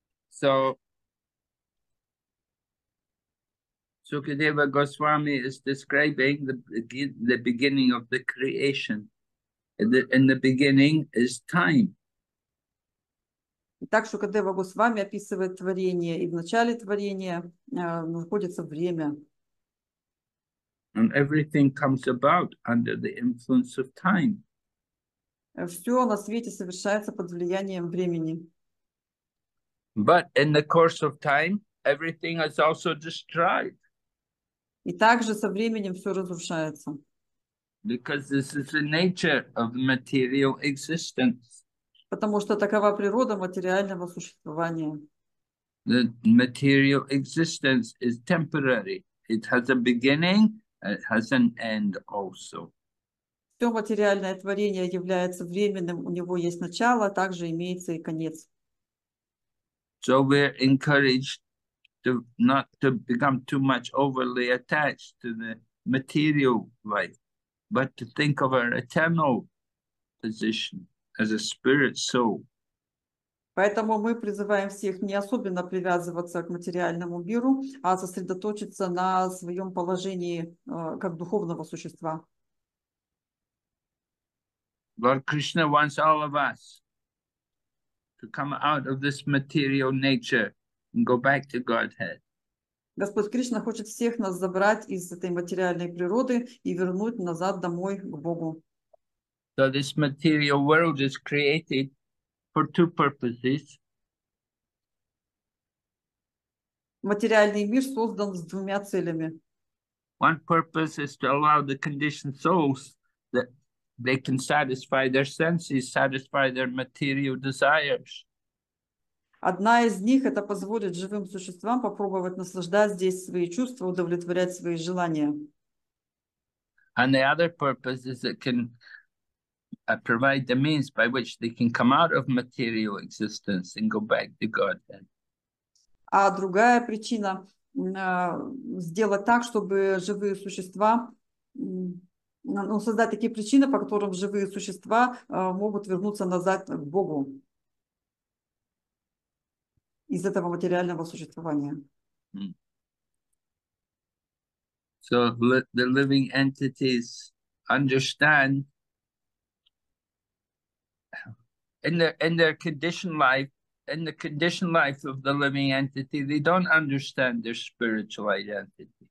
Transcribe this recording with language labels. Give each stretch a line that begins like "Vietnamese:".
English: So, Sukadeva Goswami is describing the beginning of the creation. In the beginning is time.
Russian: Так что Шукадева Госвами описывает творение, и в начале творения находится время.
English: And everything comes about under the influence of time.
Russian: Все на свете совершается под влиянием времени.
English: But in the course of time, everything is also destroyed.
Russian: И также со временем все разрушается.
English: Because this is the nature of material existence.
Russian: Потому что такова природа материального существования.
English: The material existence is temporary. It has a beginning, it has an end also.
Russian: Все материальное творение является временным. У него есть начало, а также имеется и конец.
English: So we're encouraged not to become too much overly attached to the material life, but to think of our eternal position as a spirit soul.
Russian: Поэтому мы призываем всех не особенно привязываться к материальному миру, а сосредоточиться на своем положении как духовного существа.
English: Lord Krishna wants all of us to come out of this material nature and go back to Godhead.
Russian: Господь Кришна хочет всех нас забрать из этой материальной природы и вернуть назад домой к Богу.
English: So this material world is created for two purposes.
Russian: Материальный мир создан с двумя целями.
English: One purpose is to allow the conditioned souls that they can satisfy their senses, satisfy their material desires.
Russian: Одна из них это позволит живым существам попробовать наслаждать здесь свои чувства, удовлетворять свои желания.
English: And the other purpose is it can provide the means by which they can come out of material existence and go back to Godhead.
Russian: А другая причина сделать так, чтобы живые существа создать такие причины, по которым живые существа могут вернуться назад к Богу из этого материального существования.
English: So the living entities understand in their conditioned life of the living entity, they don't understand their spiritual identity.